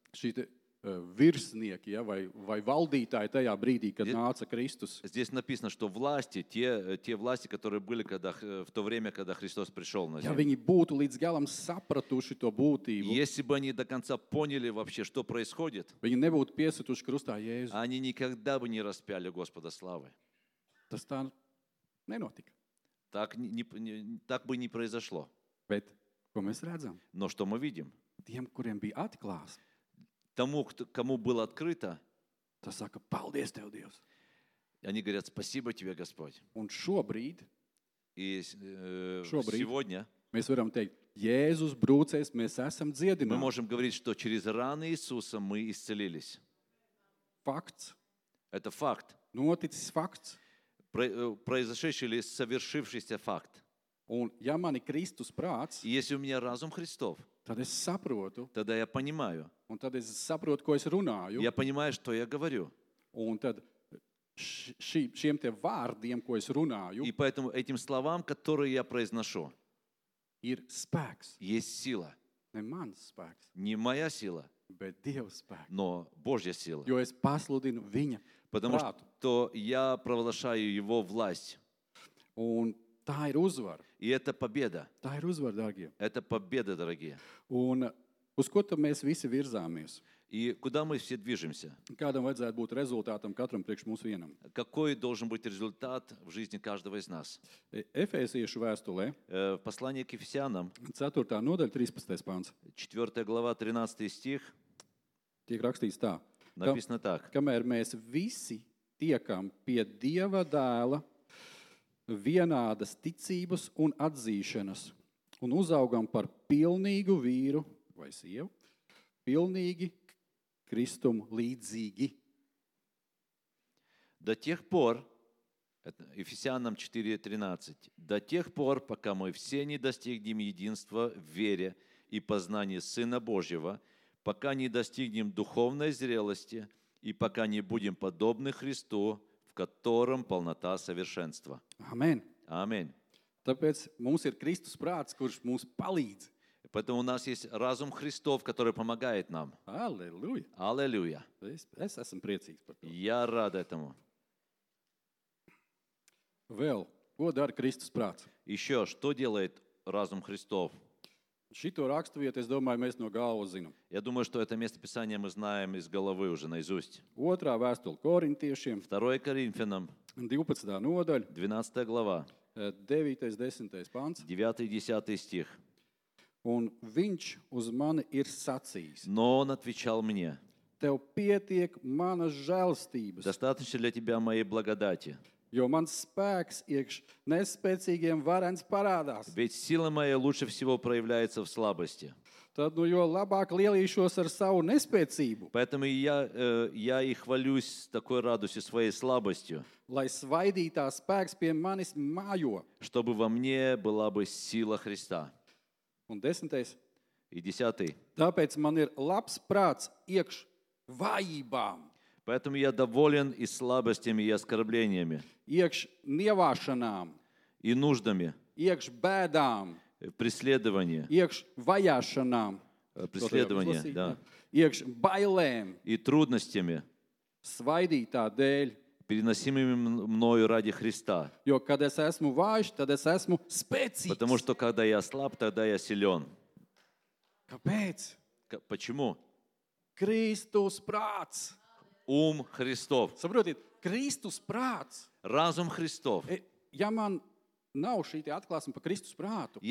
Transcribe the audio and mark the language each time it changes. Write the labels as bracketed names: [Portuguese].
[Latvian] Šī te, virsnieki, ja, vai valdītāji tajā brīdī, kad nāca Kristus. [Russian] Здесь написано, что власти, те власти, которые были когда, в то время, когда Христос пришел на землю. [Latvian] Ja viņi būtu līdz galam sapratuši to būtību. [Russian] Если бы они до конца поняли вообще, что происходит. [Latvian] Viņi nebūtu piesituši krustā Jēzus. [Russian] Они никогда бы не распяли Господа славы. [Latvian] Tas tā nenotika. [Russian] Так бы не произошло. [Latvian] Bet, ko mēs redzam? [Russian] Но что мы видим? [Latvian] Tiem, kuriem bija atklāsts. [Russian] Тому, кому было открыто, [Latvian] то сака, палдес тебе, Dievs. [Russian] Они говорят, спасибо тебе, Господь. [Latvian] Un šobrīd, [Russian] и [Latvian] šobrīd, [Russian] сегодня, [Latvian] mēs varam teikt, Jēzus brūcēs, mēs esam dziedināti. [Russian] Мы можем говорить, что через раны Иисуса мы исцелились. Факт. Это факт. [Latvian] Noticis факts. [Russian] Произошедший или совершившийся факт. [Latvian] Un, ja mani Kristus prāts, [Russian] и если у меня разум Христов, [Latvian] tad es saprotu. [Russian] Тогда я понимаю. [Latvian] Un tad es saprotu, ko es runāju. [Russian] Я понимаю, что я говорю. [Latvian] Un tad šiem tiem vārdiem, ko es runāju. [Russian] И поэтому этим словам, которые я произношу. [Latvian] Ir spēks. [Russian] Есть сила. Не [Latvian] mans spēks. [Russian] Не моя сила. [Latvian] Bet Dieva spēks. [Russian] Но Божья сила. [Latvian] Jo es pasludinu viņa [Russian] Потому [Latvian] prātu. [Russian] Потому что я провозглашаю его власть. [Latvian] Un tā ir uzvara. [Russian] И это победа. [Latvian] Tā ir uzvara, dārgie. [Russian] Это победа, дорогие. [Latvian] Un uz ko tad mēs visi virzāmies? [Russian] И куда мы все движемся? [Latvian] Kādam vajadzētu būt rezultātam katram priekš mūsu vienam? [Russian] Какой должен быть результат в жизни каждого из нас? [Latvian] Efēsiešu vēstulē. [Russian] Послание к Ефесянам. [Latvian] 4. Nodaļa, 13. Pants. [Russian] 4. Глава, 13. Стих. [Latvian] Tiek rakstīts tā. [Russian] Написано так. [Latvian] Kamēr mēs visi tiekam pie Dieva dēla, vienādas ticības un atzīšanas, un uzaugam par pilnīgu vīru vai sievu, pilnīgi Kristum līdzīgi. [Russian] До тех пор, Ефесянам 4:13, до тех пор, пока мы все не достигнем единства в вере и познании Сына Божьего, пока не достигнем духовной зрелости и пока не будем подобны Христу, в котором полнота совершенства. Амен. Амен. [Latvian] Tāpēc mums ir Kristus prāts, kurš mums palīdz. [Russian] Поэтому у нас есть разум Христов, который помогает нам. Аллилуйя. Аллилуйя. [Latvian] Es esmu priecīgs par to. [Russian] Я рад этому. [Latvian] Vēl, ko dara Kristus prāts? [Russian] Еще, что делает разум Христов? [Latvian] Šito rakstu vietu, es domāju, mēs no galvas zinām. [Russian] Я думаю, что это место Писания мы знаем из головы уже наизусть. [Latvian] Otrā vēstule Korintiešiem. 2. Korintiešiem. 12. nodaļa. [Russian] 12. глава. [Latvian] 9. 10. pants. [Russian] 9. 10. стих. [Latvian] Un viņš uz mani ir sacījis. [Russian] Но он отвечал мне. [Latvian] Tev pietiek manas žēlstības. [Russian] Достаточно для тебя моей благодати. [Latvian] Jo mans spēks iekš nespēcīgiem varens parādās. [Russian] Ведь сила моя лучше всего проявляется в слабости. [Latvian] Tad, nu, jo labāk lielīšos ar savu nespēcību. [Russian] Поэтому я и хвалюсь такой радостью своей слабостью. [Latvian] Lai svaidītā spēks pie manis mājo. [Russian] Чтобы во мне была бы сила Христа. [Latvian] Un desmitais. [Russian] И десятый. [Latvian] Tāpēc man ir labs prāts iekš vājībām. [Russian] Поэтому я доволен и слабостями, и оскорблениями. [Latvian] Iekš nievāšanām. [Russian] И нуждами. [Latvian] Iekš bēdām. [Russian] Преследование. [Latvian] Iekš vajāšanām. [Russian] Преследование, да. [Latvian] Iekš bailēm. [Russian] И трудностями. [Latvian] Svaidītā dēļ. [Russian] Переносимыми мною ради Христа. [Latvian] Jo, kad es esmu vājš, tad es esmu spēcīgs. [Russian] Потому что когда я слаб, тогда я силен. [Latvian] Kāpēc? [Russian] Почему? [Latvian] Kristus prāts. [Russian] Ум Христов. [Latvian] Saprotiet, Kristus prāts. [Russian] Разум Христов. [Latvian] Ja man nav šī tie atklāsumi par Kristus prātu.